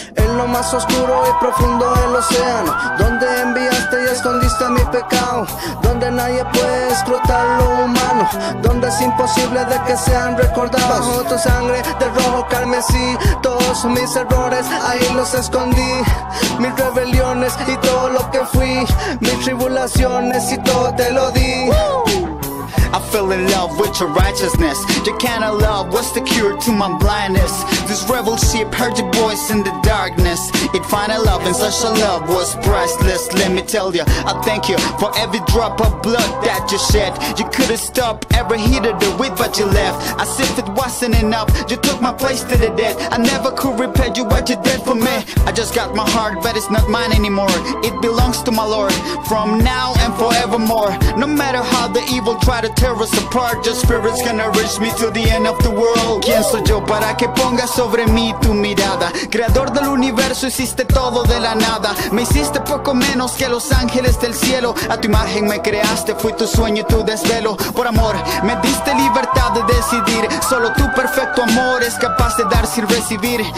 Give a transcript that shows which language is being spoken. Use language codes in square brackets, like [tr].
[es] En lo más oscuro y profundo del océano, donde enviaste y escondiste mi pecado, donde nadie puede escrutar lo humano, donde es imposible de que sean recordados. Bajo tu sangre de rojo carmesí, todos mis errores ahí los escondí, mis rebeliones y todo lo que fui, mis tribulaciones y todo te lo di. [en] I fell in love with your righteousness. Your kind of love was the cure to my blindness. This rebel sheep heard your voice in the darkness. It found a love, and such a love was priceless. Let me tell you, I thank you for every drop of blood that you shed. You couldn't stop every hit of the wind, but you left. As if it wasn't enough, you took my place to the dead. I never could repay you what you did for me. I just got my heart, but it's not mine anymore. It belongs to my Lord from now and forevermore. No matter how the evil try to tear us apart, your spirit's gonna reach me to the end of the world. [es] ¿Quién soy yo para que pongas sobre mí tu mirada? Creador del universo, hiciste todo de la nada. Me hiciste poco menos que los ángeles del cielo. A tu imagen me creaste, fui tu sueño y tu desvelo. Por amor, me diste libertad de decidir. Solo tu perfecto amor es capaz de dar sin recibir.